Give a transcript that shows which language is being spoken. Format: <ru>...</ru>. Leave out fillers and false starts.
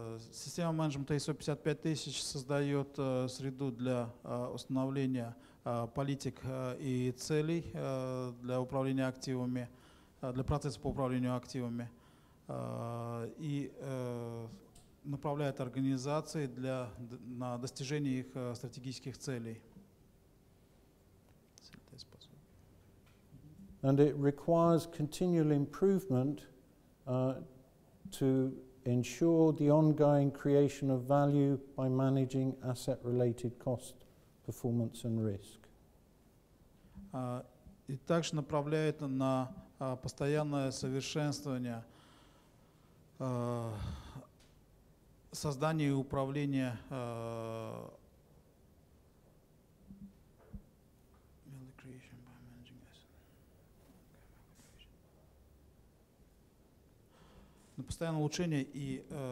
<ru>Система менеджмента ISO 55000 создает среду для установления политик и целей для управления активами, для процесса по управлению активами, и направляет организации для, на достижение их стратегических целей.</ru> <en>And it requires continual improvement to ensure the ongoing creation of value by managing asset-related cost, performance and risk.</en> <ru>И также направляет на постоянное совершенствование создание и управление на постоянное улучшение и</ru>